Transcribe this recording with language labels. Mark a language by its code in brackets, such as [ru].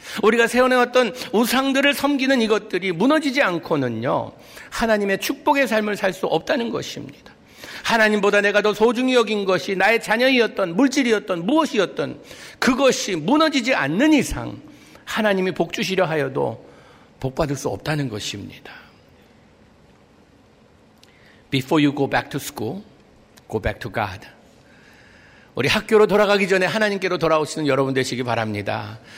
[ko] 우리가 세워내었던 우상들을 섬기는 이것들이 무너지지 않고는요 하나님의 축복의 삶을 살 수 없다는 것입니다. 하나님보다 내가 더 소중히 여긴 것이 나의 자녀이었던 물질이었던 무엇이었던 그것이 무너지지 않는 이상 하나님이 복 주시려 하여도 복 받을 수 없다는 것입니다. [en] Before you go back to school, go back to God. [ko] 우리 학교로 돌아가기 전에 하나님께로 돌아오시는 여러분 되시기 바랍니다.